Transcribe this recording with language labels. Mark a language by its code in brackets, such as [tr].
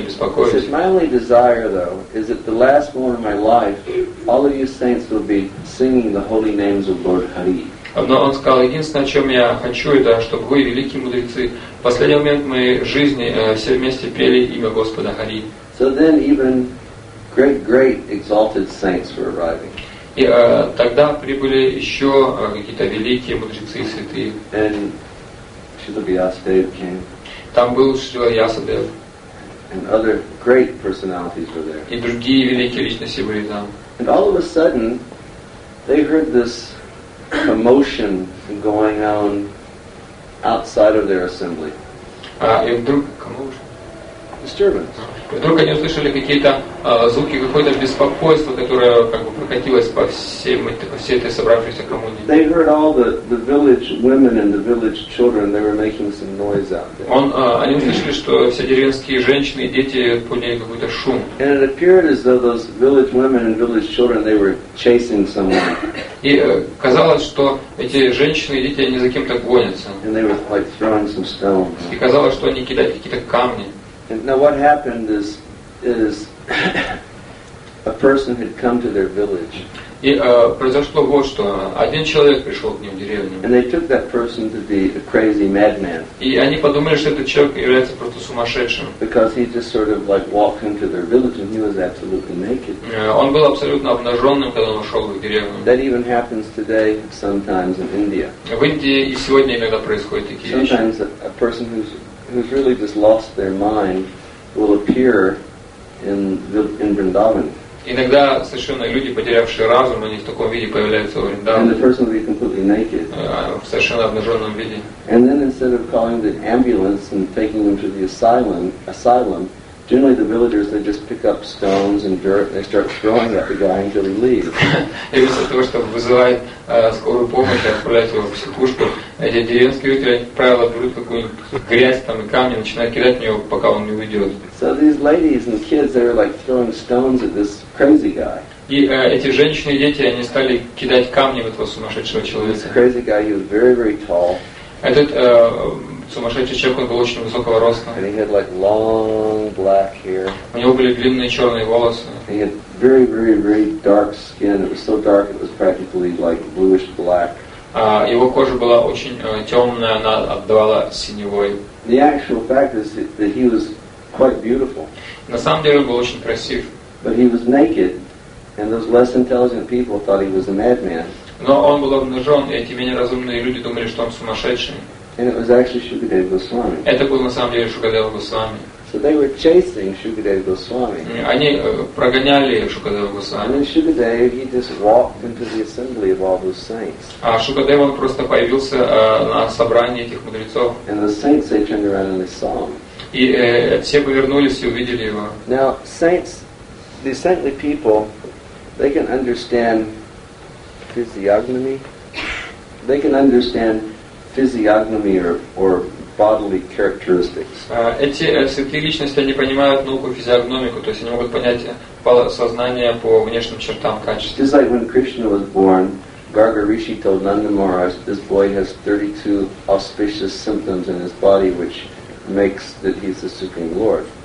[ru] беспокоюсь. Но он сказал, единственное, о чем я хочу, это чтобы вы, великие мудрецы, в последний момент моей жизни все вместе пели имя Господа Хари. [en] So then even great exalted saints were arriving. [ru] И тогда прибыли еще какие-то великие мудрецы и святые. [en] And Śrīla Vyāsadeva came. [ru] Там был Śrīla Vyāsadeva. [en] And other great personalities were there. [ru] И другие великие личности были там. [en] And all of a sudden, they heard this commotion going on outside of their assembly. [ru] Вдруг они услышали какие-то звуки, какое-то беспокойство, которое как бы прокатилось по всей этой собравшейся коммуне. [en] They heard all the village women and the village children. They were making some noise out there. [ru] Они услышали, что все деревенские женщины и дети подняли какой-то шум. [en] And it appeared as though those village women and village children they were chasing someone. [ru] И казалось, что эти женщины и дети они за кем-то гонятся. [en] And they were like throwing some stones. [ru] И казалось, что они кидают какие-то камни. [en] And now what happened is a person had come to their village. [ru] И произошло вот что. Один человек пришел к ним в деревню. [en] And they took that person to be a crazy madman. [ru] И они подумали, что этот человек является просто сумасшедшим. [en] Because he just sort of like walked into their village and he was absolutely naked. [ru] Он был абсолютно обнаженным, когда он ушел в деревню. [en] That even happens today sometimes in India. [ru] В Индии и сегодня иногда происходят такие вещи. [en] Sometimes a person who's really just lost their mind will appear in Vrindavan. [ru] Иногда совершенно люди, потерявшие разум, они в таком виде появляются в Вриндаване. [en] And the person will be completely naked. [ru] В совершенно обнаженном виде. [en] And then instead of calling the ambulance and taking them to the asylum, generally the villagers they just pick up stones and dirt and they start throwing at the guy until he leaves. [ru] И вместо того, чтобы вызывать скорую помощь и отправлять его в психушку, эти деревенские жители, как правило, берут какую-нибудь грязь там и камни и начинают кидать в него, пока он не уйдет. [en] So these ladies and kids they were like throwing stones at this crazy guy. [ru] И эти женщины и дети они стали кидать камни в этого сумасшедшего человека. [en] This crazy guy he was very very tall. [ru] Этот сумасшедший человек, он был очень высокого роста. [en] And he had like long black hair. [ru] У него были длинные черные волосы. [en] He had very, very, very dark skin. It was so dark it was practically like bluish black. [ru] Его кожа была очень темная, она отдавала синевой. [en] The actual fact is that he was quite beautiful. [ru] На самом деле он был очень красив. [en] But he was naked, and those less intelligent people thought he was a madman. [ru] Но он был обнажен, и эти менее разумные люди думали, что он сумасшедший. [en] And it was actually Shukadeva Goswami. [ru] Это был на самом деле Шукадева Госвами. [en] So they were chasing Shukadeva Goswami. [ru] Они прогоняли Шукадева Госвами. [en] And then Shukadeva he just walked into the assembly of all those saints. [ru] А Шукадева он просто появился на собрании этих мудрецов. [en] And the saints they turned around and they saw him. [ru] И все повернулись и увидели его. [en] Now saints, the saintly people, they can understand physiognomy. They can understand physiognomy or bodily characteristics. [ru] Эти святые личности они понимают науку физиогномику, то есть они могут понять сознание по внешним чертам, качествам. [en] Just like when Krishna was born, Garga Rishi told Nanda Maharaj, this boy has 32 auspicious symptoms in his body, which makes that he's the Supreme Lord.